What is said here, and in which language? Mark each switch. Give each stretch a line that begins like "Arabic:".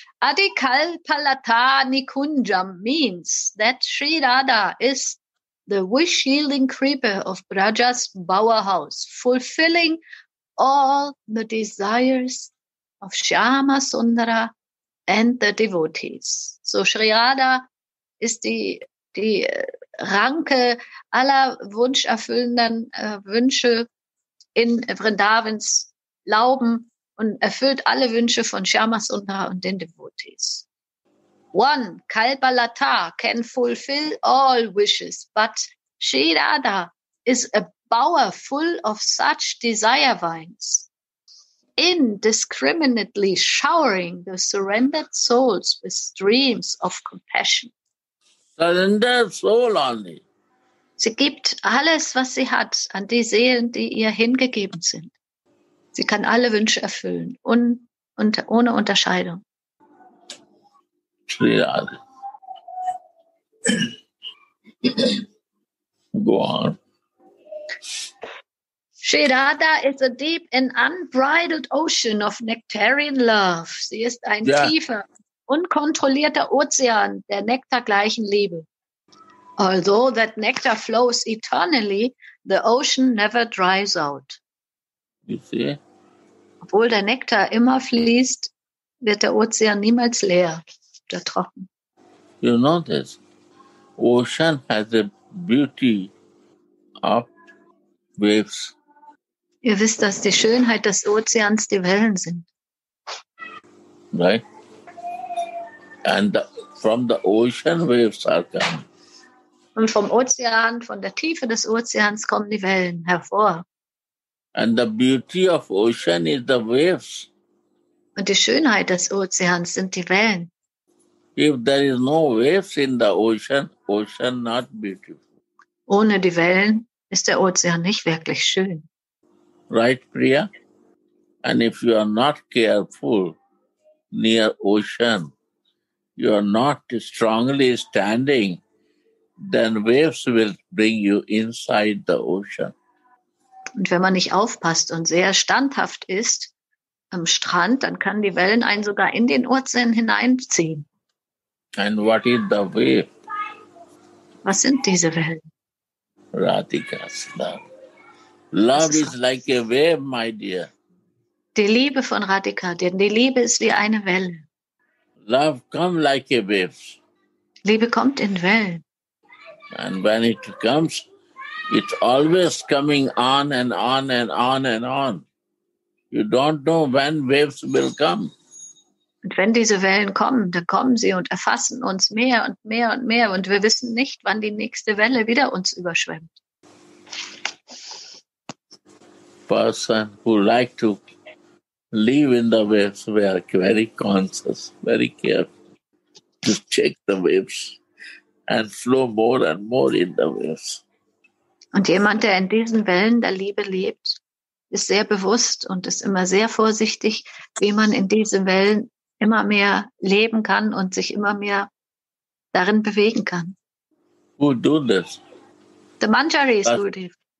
English: Adikalpalata Nikunjam means that Sri Radha is the wish-yielding creeper of Braja's bower house, fulfilling all the desires of Shyama Sundara and the devotees.
German: So Sri Radha ist die Ranke aller wunscherfüllenden Wünsche in Vrindavans Lauben und erfüllt alle Wünsche von Shyama Sundara und den Devotees.
English: One, Kalpalata, can fulfill all wishes, but Sri Radha is a bower full of such desire vines, indiscriminately showering the surrendered souls with streams of compassion. Surrender soul only.
German: Sie gibt alles, was sie hat, an die Seelen, die ihr hingegeben sind. Sie kann alle Wünsche erfüllen, ohne Unterscheidung.
English: Sri Radha. Go on. Sri Radha is a deep and unbridled ocean of nectarian love.
German: Sie ist ein tiefer, unkontrollierter Ozean der nektargleichen Liebe.
English: Although that nectar flows eternally, the ocean never dries out. You see?
German: Obwohl der Nektar immer fließt, wird der Ozean niemals leer oder trocken.
English: You know this? Ocean has a beauty of waves.
German: Ihr wisst, dass die Schönheit des Ozeans die Wellen sind.
English: Right? And from the ocean waves are coming.
German: Und vom Ozean, von der Tiefe des Ozeans kommen die Wellen hervor.
English: And the beauty of ocean is the waves.
German: Und die Schönheit des Ozeans sind die Wellen.
English: If there is no waves in the ocean, ocean not beautiful.
German: Ohne die Wellen ist der Ozean nicht wirklich schön.
English: Right, Priya? And if you are not careful near ocean, you are not strongly standing, then waves will bring you inside the ocean.
German: Und wenn man nicht aufpasst und sehr standhaft ist am Strand, dann kann die Wellen einen sogar in den Ozean hineinziehen.
English: And what is the wave?
German: Was sind diese Wellen?
English: Radhika's love. Love is like a wave, my dear.
German: Die Liebe von Radhika, denn die Liebe ist wie eine Welle.
English: Love come like a wave.
German: Liebe kommt in Wellen.
English: And when it comes, it's always coming on and on and on and on. You don't know when waves will come.
German: Und wenn diese Wellen kommen, dann kommen sie und erfassen uns mehr und mehr und mehr. Und wir wissen nicht, wann die nächste Welle wieder uns überschwemmt.
English: Person who like to live in the waves, were very conscious, very careful to check the waves. And flow more and more in the waves.
German: Und jemand, der in diesen Wellen der Liebe lebt, ist sehr bewusst und ist immer sehr vorsichtig, wie man in diesen Wellen immer mehr leben kann und sich immer mehr darin bewegen kann.
English: Who do this? The Manjaris, Gurudev.